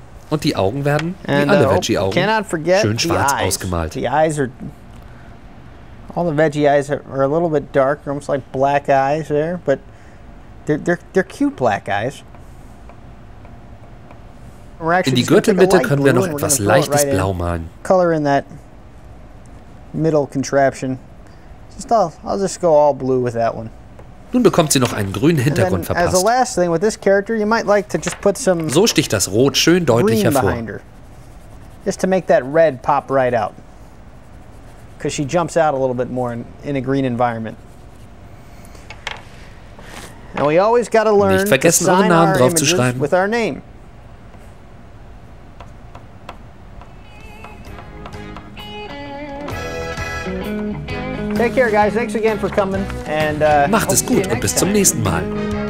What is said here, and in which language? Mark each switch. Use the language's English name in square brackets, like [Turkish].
[German] Und die Augen werden, wie alle Veggie-Augen, schön schwarz ausgemalt. [English] The eyes are, all the Veggie eyes are a little bit darker, almost like black eyes there, but they're cute black eyes. [German] In die Gürtelmitte können wir noch etwas leichtes Blau malen. [English] Color in that middle contraption. Just I'll just go all blue with that one. [German] Nun bekommt sie noch einen grünen Hintergrund verpasst. So sticht das Rot schön deutlich hervor. [English] Just to make that red pop right out. Because she jumps out a little bit more in a green environment. And we always got to learn to sign our images with our name. Take care, guys. Thanks again for coming. And [German] macht es gut und bis zum nächsten Mal.